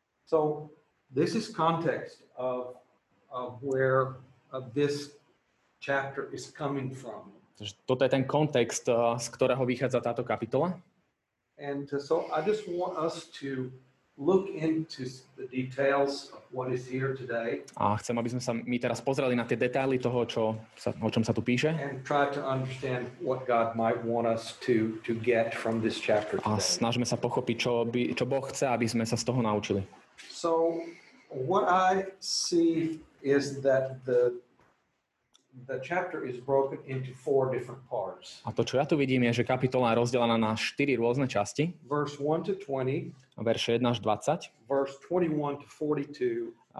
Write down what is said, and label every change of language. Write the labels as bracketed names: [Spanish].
[English] So this is context of where this chapter is coming from. [Slovak] Toto je ten kontext, z ktorého vychádza táto kapitola. [English] And so I just want us to look into the details of what is here today. [Slovak] A chcem, aby sme sa my teraz pozreli na tie detaily toho, čo sa, o čom sa tu píše. [English] And try to understand what God might want us to get from this chapter today. [Slovak] A snažme sa pochopiť, čo Boh chce, aby sme sa z toho naučili. [English] So what I see is that the chapter is broken into four different parts. [Slovak] A to, čo ja tu vidím, je, že kapitola je rozdelená na 4 rôzne časti. [English] Verse 1 to 20. [Slovak] Verše 1 až 20. [English] Verse 21 to 42.